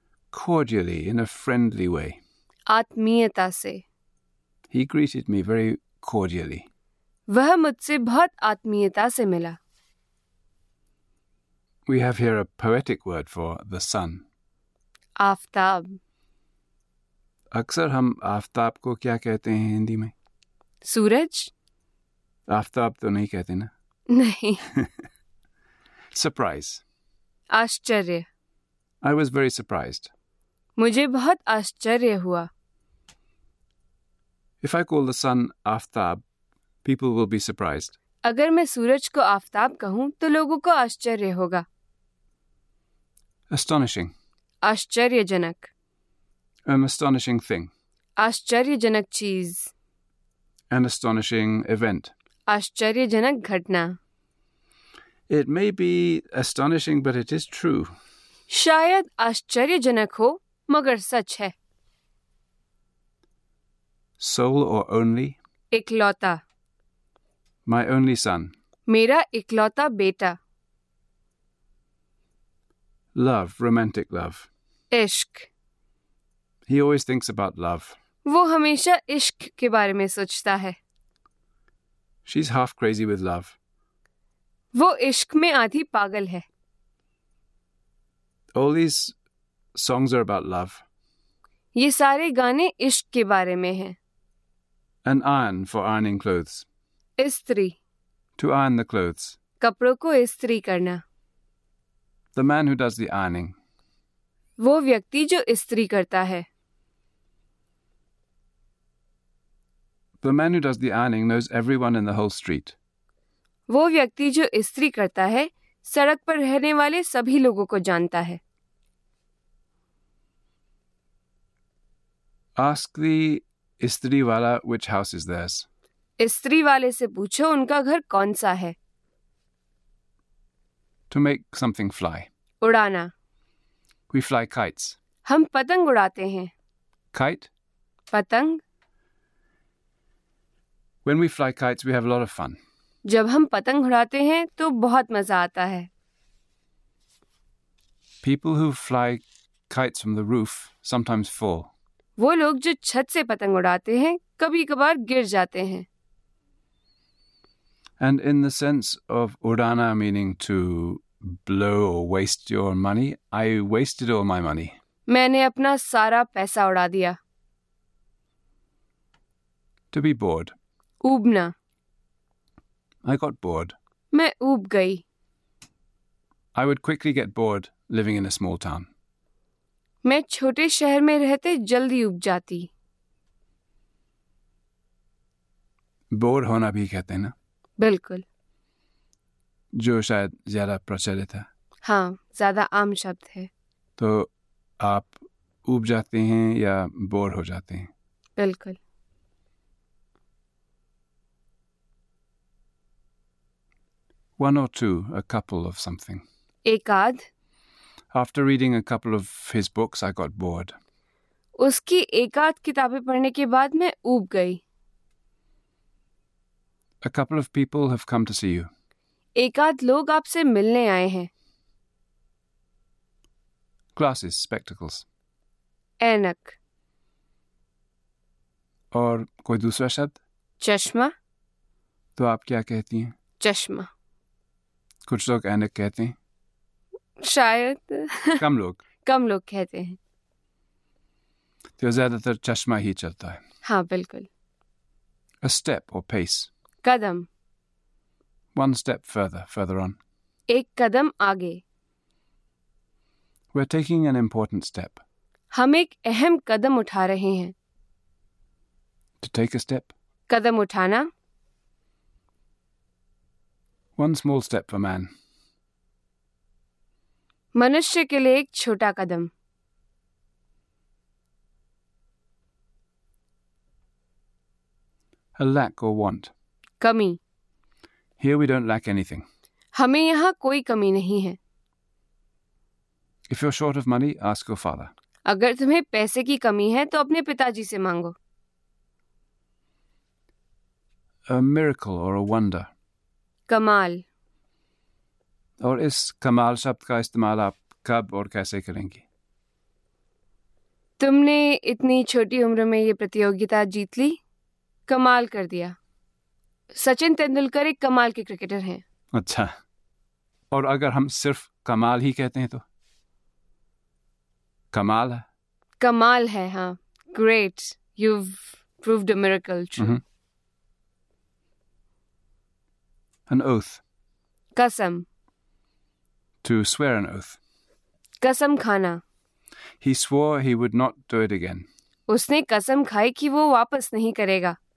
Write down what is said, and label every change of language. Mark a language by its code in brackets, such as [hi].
[en] Cordially, in a friendly way. [hi] आत्मीयता से। [en] He greeted me very cordially. [hi] वह मुझसे बहुत आत्मीयता से मिला। [en] We have here a poetic word for the sun. [hi] Aftab. अक्सर हम आफताब को क्या कहते हैं हिंदी में? सूरज। आफताब तो नहीं कहते ना? नहीं। [en] Surprise. [hi] आश्चर्य। [en] I was very surprised. [hi] मुझे बहुत आश्चर्य हुआ। [en] If I call the sun aftab, people will be surprised. [hi] अगर मैं सूरज को आफ्ताब कहूं तो लोगों को आश्चर्य होगा। [en] Astonishing. [hi] आश्चर्यजनक। [en] An astonishing thing. [hi] आश्चर्यजनक चीज। [en] An astonishing event. [hi] आश्चर्यजनक घटना। [en] It may be astonishing, but it is true. [hi] शायद आश्चर्यजनक हो मगर सच है। [en] Sole or only? [hi] इकलौता। [en] My only son. [hi] मेरा इकलौता बेटा। [en] Love, romantic love. [hi] इश्क। [en] He always thinks about love. [hi] वो हमेशा इश्क के बारे में सोचता है। [en] She's half crazy with love. [hi] वो इश्क में आधी पागल है। [en] All these songs are about love. [hi] ये सारे गाने इश्क के बारे में हैं। [en] An iron for ironing clothes. [hi] इस्त्री। [en] To iron the clothes. [hi] कपड़ों को इस्त्री करना। [en] The man who does the ironing. [hi] वो व्यक्ति जो इस्त्री करता है। [en] The man who does the ironing knows everyone in the whole street. [hi] वो व्यक्ति जो इस्त्री करता है सड़क पर रहने वाले सभी लोगों को जानता है। [en] Ask the [hi] इस्त्री वाला [en] which house is theirs. [hi] इस्त्री वाले से पूछो उनका घर कौन सा है। [en] To make something fly. [hi] उड़ाना। [en] We fly kites. [hi] हम पतंग उड़ाते हैं। [en] Kite? [hi] पतंग। [en] When we fly kites, we have a lot of fun. [hi] जब हम पतंग उड़ाते हैं तो बहुत मजा आता है। [en] People who fly kites from the roof sometimes fall. [hi] वो लोग जो छत से पतंग उड़ाते हैं कभी कभार गिर जाते हैं। [en] And in the sense of udana, meaning to blow or waste your money, I wasted all my money. [hi] मैंने अपना सारा पैसा उड़ा दिया। [en] To be bored. [hi] ऊबना। [en] I got bored. [hi] मैं ऊब गई. [en] I would quickly get bored living in a small town. [hi] मैं छोटे शहर में रहते जल्दी ऊब जाती. बोर होना भी कहते हैं ना? बिल्कुल. जो शायद ज्यादा प्रचलित है. हाँ, ज्यादा आम शब्द है. तो आप ऊब जाते हैं या बोर हो जाते हैं? बिल्कुल. [en] One or two, a couple of something. [hi] एक आध. [en] After reading a couple of his books, I got bored. [hi] उसकी एक आध किताबें पढ़ने के बाद मैं ऊब गई. [en] A couple of people have come to see you. [hi] एक आध लोग आपसे मिलने आए हैं. [en] Glasses, spectacles. [hi] ऐनक. और कोई दूसरा शब्द? चश्मा. तो आप क्या कहती हैं? चश्मा. कुछ लोग ऐनक कहते हैं. शायद कम लोग. कम लोग कहते हैं. तो ज्यादातर चश्मा ही चलता है. हाँ बिल्कुल. [en] A step or pace. [hi] Kadam. [en] One step further, further on. [hi] एक कदम आगे. [en] We're taking an important step. [hi] हम एक अहम कदम उठा रहे हैं. [en] To take a step. [hi] कदम उठाना. [en] One small step for man. [hi] मनुष्य के लिए एक छोटा कदम. [en] A lack or want. [hi] कमी. [en] Here we don't lack anything. [hi] हमें यहाँ कोई कमी नहीं है. [en] If you're short of money, ask your father. [hi] अगर तुम्हें पैसे की कमी है तो अपने पिताजी से मांगो. [en] A miracle or a wonder. [hi] कमाल. और इस कमाल शब्द का इस्तेमाल आप कब और कैसे करेंगी? तुमने इतनी छोटी उम्र में ये प्रतियोगिता जीत ली. कमाल कर दिया. सचिन तेंदुलकर एक कमाल के क्रिकेटर हैं. अच्छा. और अगर हम सिर्फ कमाल ही कहते हैं तो? कमाल है. कमाल है. हाँ. [en] Great. You proved a miracle. True. An oath. [hi] कसम. [en] To swear an oath. [hi] कसम खाना. [en] He swore he would not do it again. [hi] उसने कसम खाई कि वो वापस नहीं करेगा.